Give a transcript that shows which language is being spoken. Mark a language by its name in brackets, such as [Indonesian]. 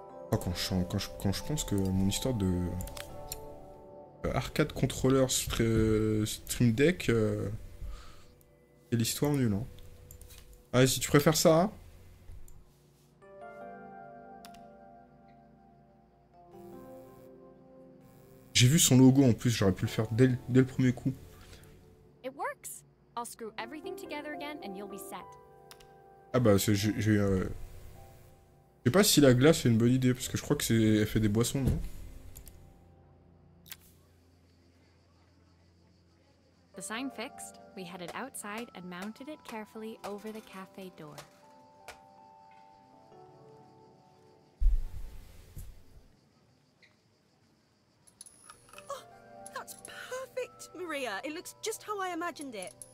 [French] Oh, quand je pense que mon histoire de arcade contrôleur Stream Deck, c'est l'histoire nulle, hein. Ah, si tu préfères ça. J'ai vu son logo en plus, j'aurais pu le faire dès le premier coup. [English] I'll screw everything together again and you'll be set. [French] Ah bah c'est, je sais pas si la glace est une bonne idée parce que je crois que c'est elle fait des boissons, non? [English] The sign fixed, we headed outside and mounted it carefully over the cafe door. Oh, that's perfect, Maria. It looks just how I imagined it.